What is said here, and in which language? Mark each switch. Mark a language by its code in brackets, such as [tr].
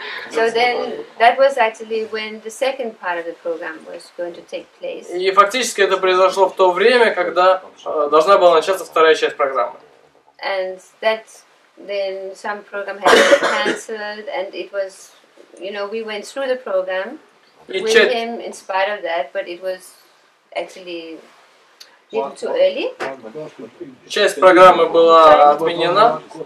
[en] So then that was actually when the second part of the program was going to take place. [ru] И фактически это произошло в то время, когда должна была начаться вторая часть программы. [en] And that then some program had been cancelled, and it was, you know, we went through the program. With him, in spite of that, but it was actually a little too early. [ru] Часть программы была отменена.